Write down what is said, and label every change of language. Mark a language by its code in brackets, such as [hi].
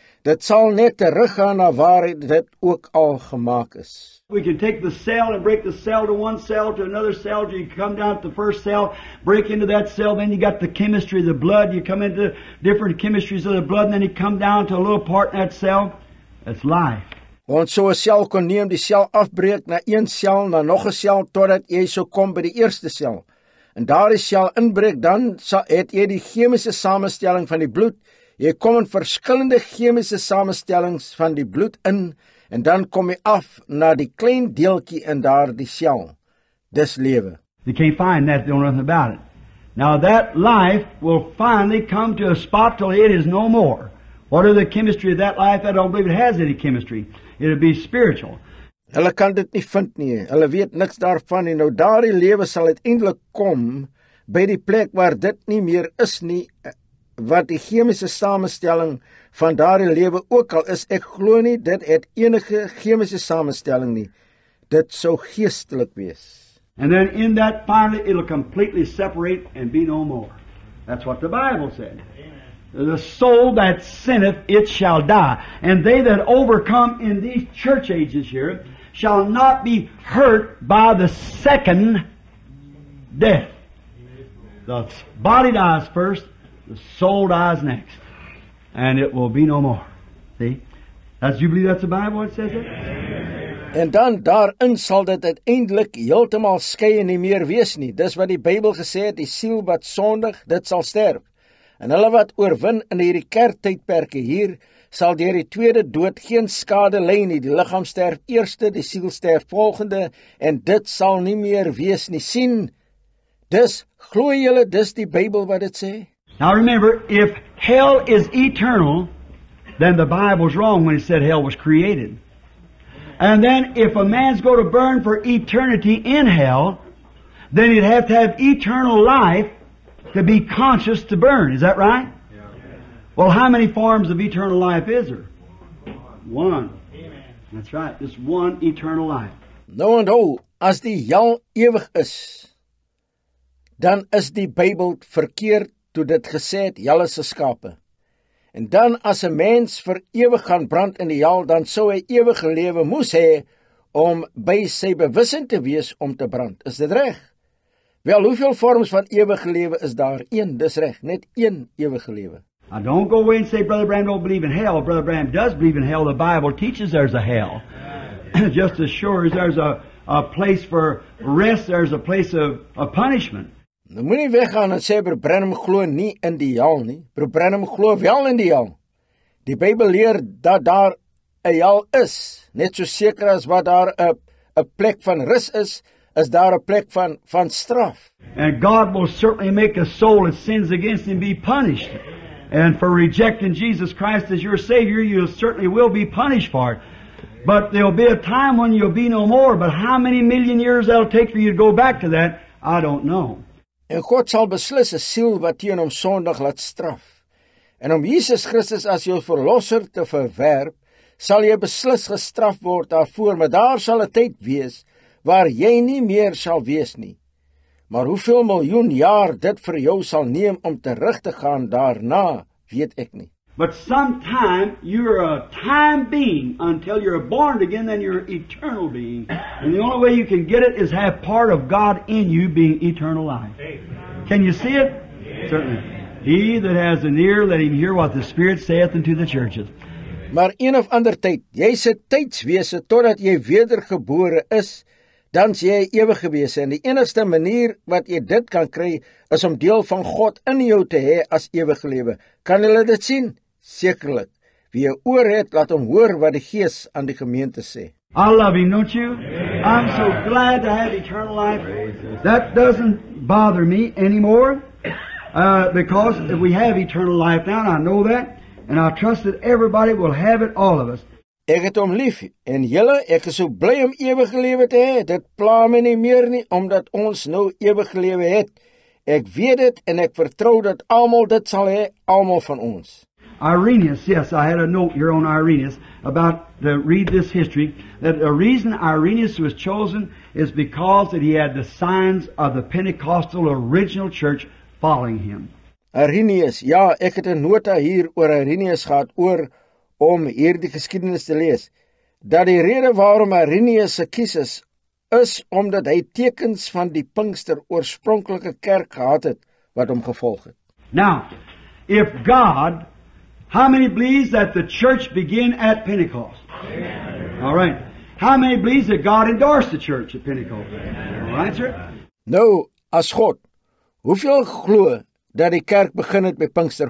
[af] Dit sal net teruggaan na waar dit ook al gemaak is. [en] We can take the cell and break the cell to one cell to another cell. You come down to the first cell, break into that cell, then you got the chemistry of the blood. You come into different chemistries of the blood and then you come down to a little part in that cell. It's life. [af] Want so 'n sel kon neem die sel afbreek na een sel, na nog 'n sel, totdat jy so kom by die eerste sel. En daar die sel inbreek, dan het jy die chemiese samenstelling van die bloed. Jy kom in verskillende chemiese samenstellings van die bloed in, en dan kom jy af na die klein deeltjie in daar die sel. Dis lewe. [en] You can't find that, don't know nothing about it. Now that life will finally come to a spot till it is no more. What are the chemistry of that life? I don't believe it has any chemistry. It'll be spiritual. [af] Hulle kan dit nie vind nie. Hulle weet niks daarvan nie. Nou daardie lewe sal uiteindelik kom by die plek waar dit nie meer is nie, wat die chemiese samenstelling van daardie lewe ook al is. Ek glo nie dit het enige chemiese samenstelling nie. Dit sou geestelik wees. [en] And then in that finally it'll completely separate and be no more. That's what the Bible said. The soul that sinneth, it shall die. And they that overcome in these church ages here shall not be hurt by the second death. The body dies first, the soul dies next. And it will be no more. See? As you believe that's the Bible, it says it? [af] En dan daarin sal dit uiteindelik heeltemal skei en nie meer wees nie. Dis wat die Bybel gesê het, die siel wat sondig, dit sal sterf. En hulle wat oorwin in hierdie kerktydperke hier, sal deur die tweede dood geen skade ly nie. Die liggaam sterf eerste, die siel sterf volgende, en dit sal nie meer wees nie. Sien, dis, glo julle, dis die Bybel wat dit sê? [en] Now remember, if hell is eternal, then the Bible's wrong when it said hell was created. And then if a man's going to burn for eternity in hell, then he'd have to have eternal life to be conscious to burn. Is that right? Yeah. Well, how many forms of eternal life is there? One. Amen. That's right. It's one eternal life. No and oh, [af] as die hel ewig is, dan is die Bybel verkeerd toe dit gesê het, hel is geskape. En dan as een mens vir ewig gaan brand in die hel, dan sou hy ewige lewe moes hê om by sy bewussin te wees om te brand. Is dit reg? Wel, hoeveel vorms van ewige lewe is daar? Een, dis reg, net een ewige lewe. [en] Now don't go away and say, Brother Branham don't believe in hell. Brother Branham does believe in hell. The Bible teaches there's a hell. Just as sure as there's a place for rest, there's a place of punishment. [af] Dan moet nie weggaan en sê, Brother Branham glo nie in die hel nie. Brother Branham glo wel in die hel. Die Bybel leer dat daar een hel is. Net so seker as wat daar een plek van rus is, is daar een plek van straf. [en] And God will certainly make a soul that sins against him be punished. And for rejecting Jesus Christ as your Savior, you certainly will be punished for it. But there'll be a time when you'll be no more. But how many million years that'll take for you to go back to that, I don't know. [af] En God sal beslis een siel wat teen hom sondig laat straf. En om Jesus Christus as jou verlosser te verwerp, sal jy beslis gestraf word daarvoor. Maar daar sal een tyd wees waar jy nie meer sal wees nie. Maar hoeveel miljoen jaar dit vir jou sal neem om terug te gaan daarna, weet ek nie. [en] But sometime you're a time being until you're born again, then you're an eternal being. And the only way you can get it is have part of God in you being eternal life. Can you see it? Yeah. Certainly. He that has an ear, let him hear what the Spirit saith unto the churches. [af] Maar een of ander tyd, jy is 'n tydswese totdat jy wedergebore is, dan is jy ewig gewees, en die enigste manier wat jy dit kan kry, is om deel van God in jou te hê as ewige lewe. Kan julle dit sien? Sekerlik. Wie jy oor het, laat hom hoor wat die Gees aan die gemeente sê. [en] I love him, don't you? I'm so glad to have eternal life. That doesn't bother me anymore, because if we have eternal life now, and I know that, and I trust that everybody will have it, all of us. [af] Ek het om lief, en julle, ek is so bly om ewige lewe te hê, dit pla my nie meer nie, omdat ons nou ewige lewe het. Ek weet dit, en ek vertrou dat almal dit sal hê, almal van ons. [en] Irenaeus, yes, I had a note here on Irenaeus, about the read this history, that the reason Irenaeus was chosen is because that he had the signs of the Pentecostal original church following him. [af] Irenaeus, ja, ek het 'n nota hier oor Irenaeus gehad, oor om hier die geskiedenis te lees, dat die rede waarom Irenaeus gekies is, is omdat hy tekens van die Pinkster oorspronkelike kerk gehad het, wat hom gevolg het. [en] Now, if God, how many believes that the church began at Pentecost? Amen. All right. How many believes that God endorsed the church at Pentecost? Amen. All right, sir? [af] Nou, as God, hoeveel glo dat die kerk begin het by Pinkster?